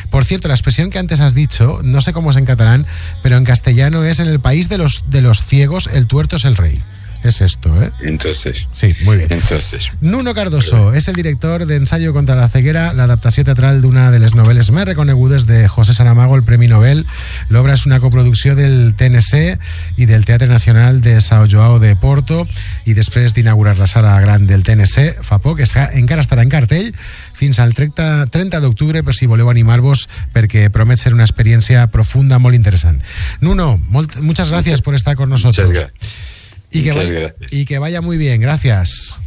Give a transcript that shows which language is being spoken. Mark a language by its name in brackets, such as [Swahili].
[Spanish] Por cierto, la expresión que antes has dicho, no sé cómo es en catalán, pero en castellano es: en el país de los ciegos, el tuerto es el rey. Es esto, ¿eh? Entonces. Sí, muy bien. Entonces. Nuno Cardoso es el director de Ensayo contra la ceguera, la adaptación teatral de una de las novelas más reconocidas de José Saramago, el Premio Nobel. La obra es una coproducción del TNC y del Teatro Nacional de São João de Porto, y después de inaugurar la sala gran del TNC, Fapó, [Catalan] que encara estarà en cartell fins al 30 d'octubre, per si voleu animar-vos, perquè promet ser una experiència profunda, molt interessant. [Spanish] Nuno, muchas gracias por estar con nosotros. Muchas gracias. Y que vaya muy bien, gracias.